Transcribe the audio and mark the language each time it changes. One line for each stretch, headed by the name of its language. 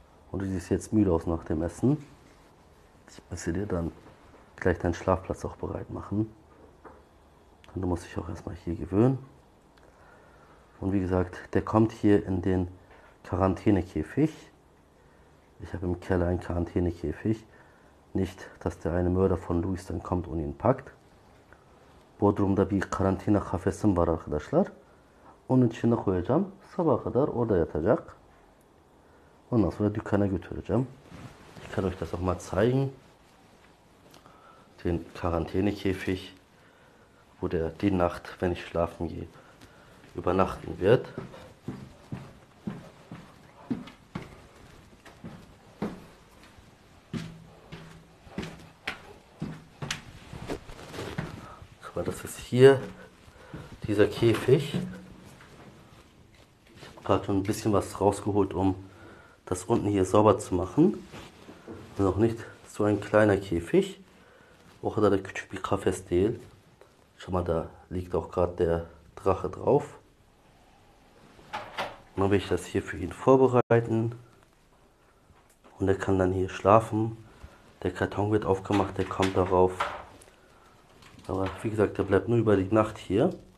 German: Und du siehst jetzt müde aus nach dem Essen. Ich muss dir dann gleich deinen Schlafplatz auch bereit machen. Und du musst dich auch erstmal hier gewöhnen. Und wie gesagt, der kommt hier in den Quarantänekäfig. Ich habe im Keller einen Quarantänekäfig. Nicht, dass der eine Mörder von Louis dann kommt und ihn packt.
Turkish: Bodrum'da bir karantina kafesim var arkadaşlar. Onun içine koyacağım. Sabaha kadar orada yatacak. Ondan sonra dükkana götüreceğim.
German: Ich kann euch das auch mal zeigen. Den Quarantänekäfig, wo der die Nacht, wenn ich schlafen gehe, übernachten wird. Mal, das ist hier dieser Käfig. Ich habe gerade schon ein bisschen was rausgeholt, um das unten hier sauber zu machen. Noch nicht so ein kleiner Käfig.
Turkish: O kadar da küçük bir kafes değil.
German: Schau mal, da liegt auch gerade der Drache drauf. Dann will ich das hier für ihn vorbereiten. Und er kann dann hier schlafen. Der Karton wird aufgemacht, der kommt darauf. Aber wie gesagt, der bleibt nur über die Nacht hier.